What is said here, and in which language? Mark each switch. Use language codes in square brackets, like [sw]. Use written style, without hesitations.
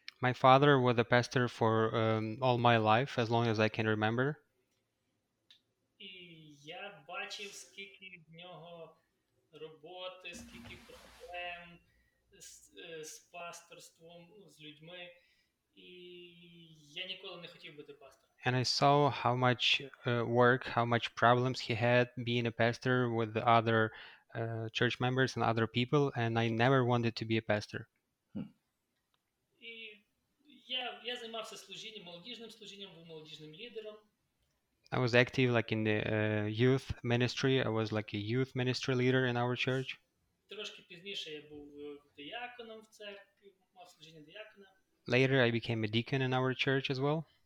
[en] My father was a pastor for all my life, as long as I can remember. [uk] І я бачив, скільки в нього роботи, скільки проблем з пасторством, з людьми, і я ніколи не хотів бути пастором. [en] And I saw how much work, how much problems he had being a pastor with other church members and other people, and I never wanted to be a pastor. [uk] І я займався служінням, молодіжним служінням, був молодіжним лідером. [en] I was active like in the youth ministry. I was like a youth ministry leader in our church. [uk] Трошки пізніше я був діаконом в церкві, мав служіння діакона. [en] Later I became a deacon in our church as well.